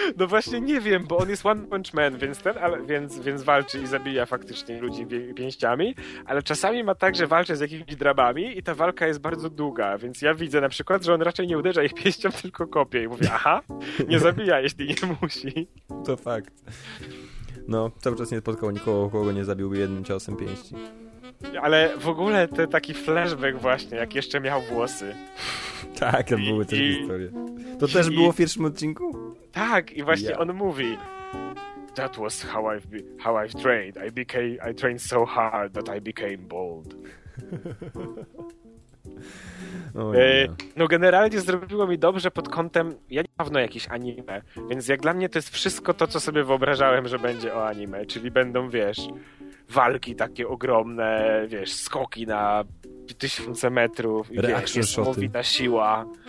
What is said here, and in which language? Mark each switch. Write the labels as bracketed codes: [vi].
[pl] No właśnie nie wiem, bo on jest One Punch Man, więc walczy i zabija faktycznie ludzi pięściami, ale czasami ma tak, że walczy z jakimiś drabami i ta walka jest bardzo długa, więc ja widzę na przykład, że on raczej nie uderza ich pięścią, tylko kopie i mówię, aha, nie zabija, jeśli nie musi. To fakt. No, cały czas nie spotkał nikogo, kogo nie zabiłby jednym ciosem pięści. Ale w ogóle ten taki flashback właśnie, jak jeszcze miał włosy. Tak, to były też historie. To też było w pierwszym odcinku? Tak, i właśnie on mówi... [en] That was how I've trained. I trained so hard that I became bald. [pl] No generalnie zrobiło mi dobrze pod kątem, ja niedawno jakieś anime, więc jak dla mnie to jest wszystko to, co sobie wyobrażałem, że będzie o anime, czyli będą, wiesz, walki takie ogromne, wiesz, skoki na 1000 metrów i niesamowita siła.